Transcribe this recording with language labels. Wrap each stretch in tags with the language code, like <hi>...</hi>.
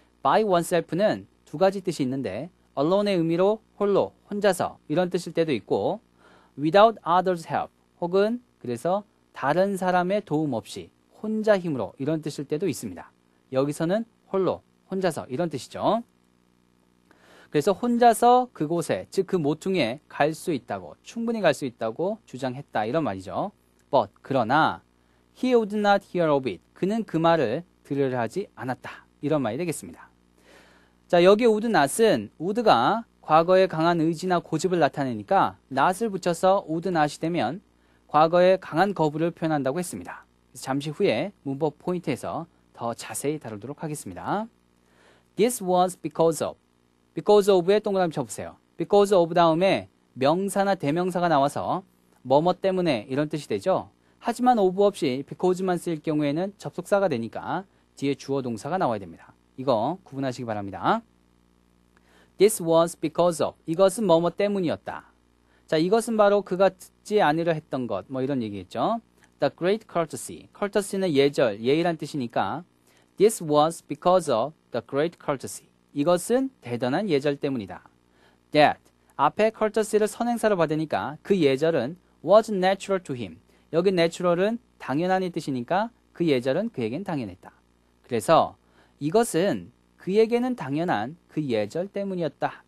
<ko>by oneself는 두 가지 뜻이 있는데 alone의 의미로 홀로, 혼자서 이런 뜻일 때도 있고 without others' help 혹은 그래서 다른 사람의 도움 없이 혼자 힘으로 이런 뜻일 때도 있습니다. 여기서는 홀로, 혼자서 이런 뜻이죠. 그래서 혼자서 그곳에, 즉 그 모퉁이에 갈 수 있다고, 충분히 갈 수 있다고 주장했다 이런 말이죠.</ko> <en>But,</en> <ko>그러나</ko> <en>he would not hear of it.</en> <ko>그는 그 말을 들으려 하지 않았다. 이런 말이 되겠습니다. 자, 여기 would not은 would가 과거의 강한 의지나 고집을 나타내니까 not을 붙여서 would not이 되면 과거의 강한 거부를 표현한다고 했습니다. 잠시 후에 문법 포인트에서 더 자세히 다루도록 하겠습니다.</ko> <en>This was because of. Because of의</en> <ko>동그라미 쳐보세요. Because of 다음에 명사나 대명사가 나와서 뭐뭐 때문에 이런 뜻이 되죠. 하지만 of 없이 because만 쓸 경우에는 접속사가 되니까 뒤에 주어 동사가 나와야 됩니다. 이거 구분하시기 바랍니다.</ko> <en>This was because of.</en> <ko>이것은 뭐뭐 때문이었다. 자, 이것은 바로 그가 듣지 않으려 했던 것, 뭐 이런 얘기겠죠.</ko> <en>The great courtesy. Courtesy는</en> <ko>예절, 예의란 뜻이니까</ko> <en>This was because of the great courtesy.</en> <ko>이것은 대단한 예절 때문이다. That. 앞에 courtesy를 선행사로 받으니까 그 예절은</ko> <en>was natural to him.</en> <ko>여기 natural은 당연한 뜻이니까 그 예절은 그에겐 당연했다. 그래서 이것은 그에게는 당연한 그 예절 때문이었다.</ko>